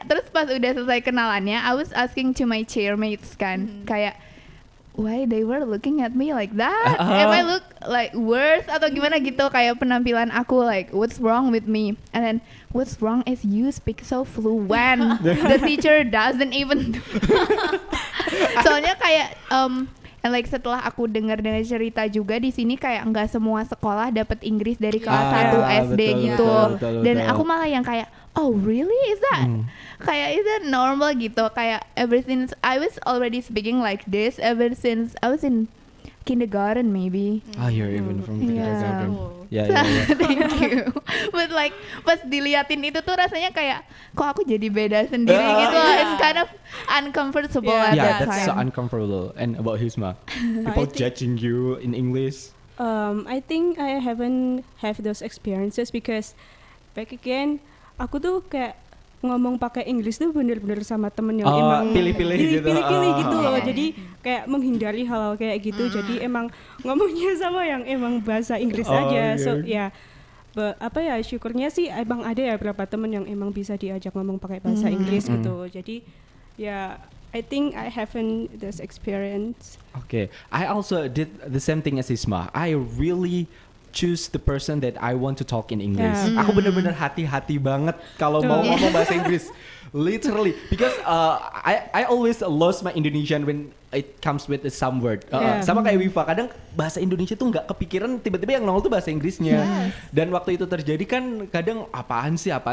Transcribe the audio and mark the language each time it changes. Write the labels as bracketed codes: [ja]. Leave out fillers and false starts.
[id] Terus pas udah selesai kenalannya, [en] I was asking to my chairmates kan, kayak why they were looking at me like that? Am I look like worse [id] atau gimana gitu? Kayak penampilan aku [en] like what's wrong with me? And then what's wrong is you speak so fluent. The teacher doesn't even. [id] Soalnya kayak [en] and like [id] setelah aku dengar cerita juga di sini kayak enggak semua sekolah dapat Inggris dari kelas 1 SD gitu. Dan aku malah yang kayak [en] oh really, is that kayak is that normal gitu, kayak ever since I was already speaking like this ever since I was in kindergarten maybe. You're even from kindergarten. Thank you. But like [id] pas diliatin itu tuh rasanya kayak kok aku jadi beda sendiri gitu. Yeah. [en] It's kind of uncomfortable yeah. at yeah, that that's time. So uncomfortable. And about Hizma, people judging you in English? I think I haven't have those experiences because back again, [id] aku tuh kayak ngomong pakai Inggris tuh bener-bener sama temen yang emang pilih-pilih gitu. Loh. Jadi kayak menghindari hal-hal kayak gitu. Jadi emang ngomongnya sama yang emang bahasa Inggris aja. Yeah. So ya, yeah. Apa ya syukurnya sih emang ada ya beberapa temen yang emang bisa diajak ngomong pakai bahasa Inggris gitu. [en] Jadi ya. Yeah. I think I haven't this experience. Okay, I also did the same thing as Isma. I really choose the person that I want to talk in English. Yeah. [id] Aku benar-benar hati-hati banget kalau mau ngomong bahasa Inggris. [en] Literally, because I always lost my Indonesian when it comes with some word. [id] Sama kayak Wifa, kadang bahasa Indonesia tuh nggak kepikiran, tiba-tiba yang nongol tuh bahasa Inggrisnya. Yes. Dan waktu itu terjadi kan kadang apaan sih?